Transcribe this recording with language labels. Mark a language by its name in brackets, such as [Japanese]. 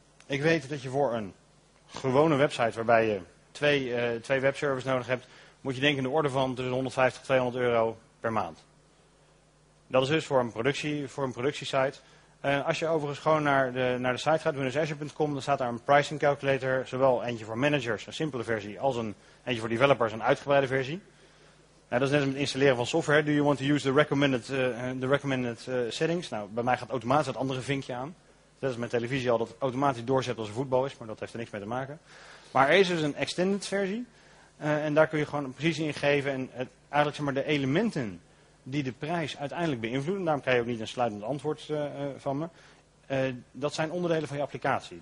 [Dutch] Ik weet dat je voor een gewone website waarbij je twee webservers nodig hebt, moet je denken in de orde van tussen 150 en 200 euro per maand. Dat is dus voor een productiesite. Als je overigens gewoon naar de site gaat, windowsazure.com, dan staat daar een pricing calculator. Zowel eentje voor managers, een simpele versie, als een eentje voor developers, een uitgebreide versie. Nou, dat is net als met het installeren van software. [English] Do you want to use the recommended settings? [Dutch] Nou, bij mij gaat automatisch dat andere vinkje aan. Dat is met televisie al dat automatisch doorzet als er voetbal is, maar dat heeft er niks mee te maken. Maar er is dus een extended versie. En daar kun je gewoon precies in geven. En het, eigenlijk zeg maar de elementen die de prijs uiteindelijk beïnvloeden. Daarom krijg je ook niet een sluitend antwoord van me. Dat zijn onderdelen van je applicatie.